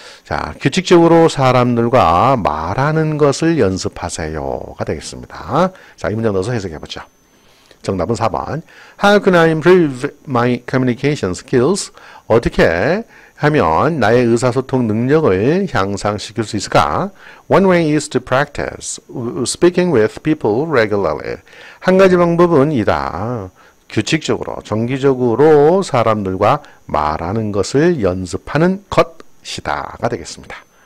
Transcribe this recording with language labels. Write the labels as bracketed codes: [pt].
[ko] 자, 규칙적으로 사람들과 말하는 것을 연습하세요가 되겠습니다. 자, 이 문장 넣어서 해석해보죠. 정답은 4번. [en] How can I improve my communication skills? [ko] 어떻게 하면 나의 의사소통 능력을 향상시킬 수 있을까? [en] One way is to practice speaking with people regularly. [ko] 한 가지 방법은 이다. 규칙적으로, 정기적으로 사람들과 말하는 것을 연습하는 것이다가 되겠습니다.